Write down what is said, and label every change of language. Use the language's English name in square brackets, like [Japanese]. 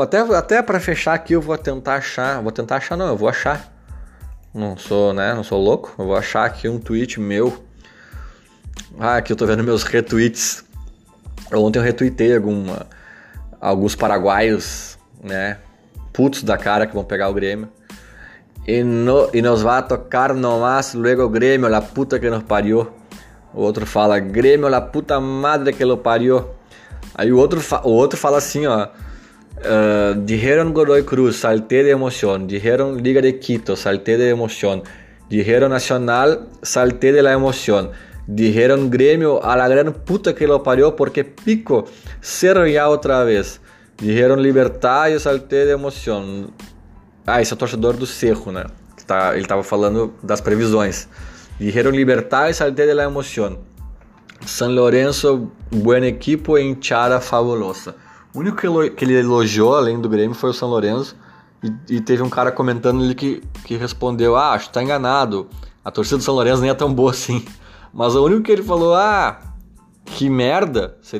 [Portuguese] Até para fechar aqui, eu vou tentar achar. Vou tentar achar, não, eu vou achar. Não sou, né? Não sou louco. Eu vou achar aqui um tweet meu. Ah, aqui eu tô vendo meus retweets. Ontem eu retuitei alguns paraguaios, né? Putos da cara que vão pegar o Grêmio. [Spanish] E nos va a tocar nomás luego Grêmio, la puta que nos parió. [Portuguese] O outro fala, [Spanish] Grêmio, la puta madre que lo parió. [Portuguese] Aí o outro fala assim, ó. [Spanish] Dijeron Godoy Cruz, salté de emoción. Dijeron Liga de Quito, salté de emoción. Dijeron Nacional, salté de la emoción. Dijeron Gremio, a la gran puta que lo parió, porque pico, cero ya otra vez. Dijeron Libertad, yo salté de emoción. [Portuguese] Ah, esse é o torcedor do Cerro, né? Ele tava falando das previsões. [Spanish] Dijeron Libertad y salté de la emoción. San Lorenzo, buen equipo e hinchada fabulosa. [Portuguese] O único que ele elogiou, além do Grêmio, foi o San Lorenzo. E teve um cara comentando ali que respondeu: ah, acho que tá enganado. A torcida do San Lorenzo nem é tão boa assim. Mas o único que ele falou: ah, que merda.